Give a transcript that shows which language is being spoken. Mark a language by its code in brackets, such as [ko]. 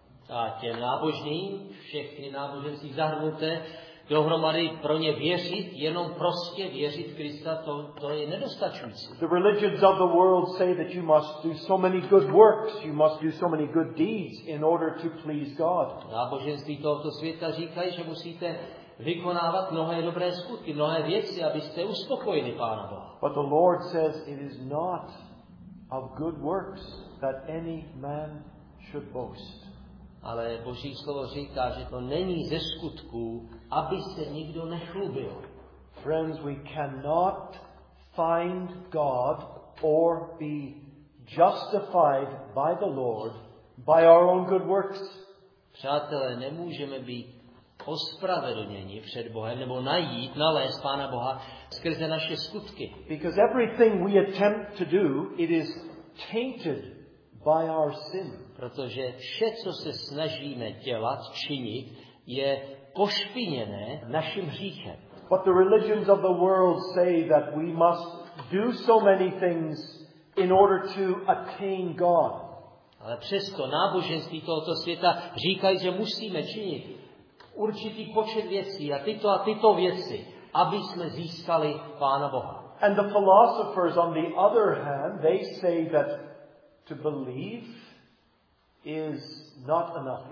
[cs] A těm nábožným, všechny náboženství zahrnuté, dohromady pro ně věřit, jenom prostě věřit Krista, to je nedostačující. [en] The religions of the world say that you must do so many good works, you must do so many good deeds in order to please God. [cs] Náboženství tohoto světa říkají, že musíte vykonávat mnohé dobré skutky, mnohé věci, abyste uspokojili Pána Boha. [en] But the Lord says it is not of good works that any man should boast. [cs] Ale Boží slovo říká, že to není ze skutků, aby se nikdo nechlubil. [en] Friends, we cannot find God or be justified by the Lord by our own good works. [cs] Přátelé, nemůžeme být ospravedlněni před Bohem nebo najít, nalézt Pána Boha skrze naše skutky. [en] Because everything we attempt to do, it is tainted by our sin. [cs] Protože vše, co se snažíme dělat, činit, je pošpiněné naším hříchem. [en] But the religions of the world say that we must do so many things in order to attain God. [cs] Ale přesto náboženství tohoto světa říkají, že musíme činit určitý počet věcí a tyto věci, aby jsme získali Pána Boha. [en] And the philosophers on the other hand, they say that to believe is not enough.